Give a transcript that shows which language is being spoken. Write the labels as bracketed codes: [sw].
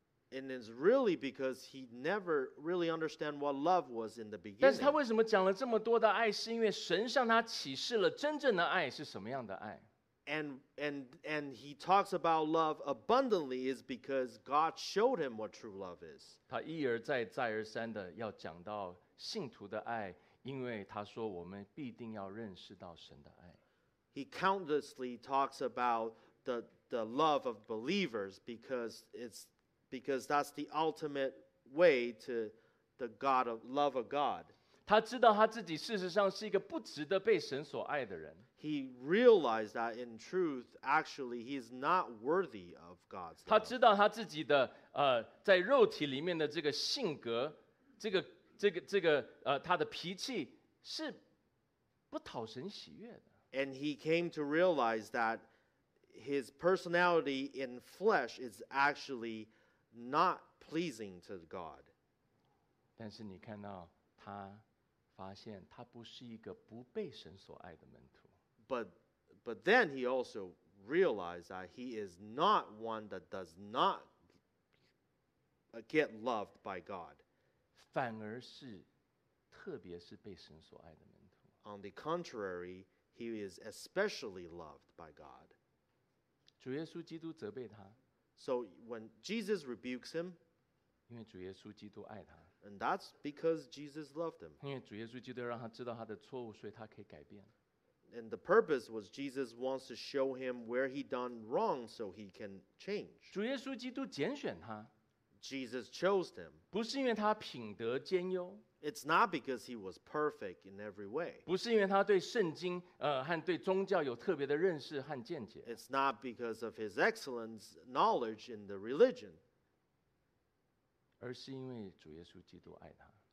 [en] And it's really because he never really understand what love was in the beginning. [zh] 但是他为什么讲了这么多的爱，是因为神向他启示了真正的爱是什么样的爱。 [en] And he talks about love abundantly is because God showed him what true love is. [zh] 他一而再，再而三的要讲到信徒的爱，因为他说我们必定要认识到神的爱。 [en] He countlessly talks about the love of believers because that's the ultimate way to the God of love of God. [zh] 他知道他自己事实上是一个不值得被神所爱的人。 [en] He realized that in truth, actually, he is not worthy of God's love. [zh] 他知道他自己的在肉体里面的这个性格，这个他的脾气是不讨神喜悦的。 [en] And he came to realize that his personality in flesh is actually not pleasing to God. [zh] 但是你看到他发现他不是一个不被神所爱的门徒。 [en] But then he also realized that he is not one that does not get loved by God. [zh] 反而是特别是被神所爱的门徒。 [en] On the contrary, he is especially loved by God. [zh] 主耶稣基督责备他。 [en] So when Jesus rebukes him, [zh] 因为主耶稣基督爱他。 [en] And that's because Jesus loved him. [zh] 因为主耶稣基督让他知道他的错误，所以他可以改变。 [en] And the purpose was Jesus wants to show him where he done wrong so he can change. [zh] 主耶稣基督拣选他。 [en] Jesus chose him. [zh] 不是因为他品德兼优。 [en] It's not because he was perfect in every way. [zh] 不是因为他对圣经和对宗教有特别的认识和见解。 [en] It's not because of his excellent knowledge in the religion. [zh] 而是因为主耶稣基督爱他。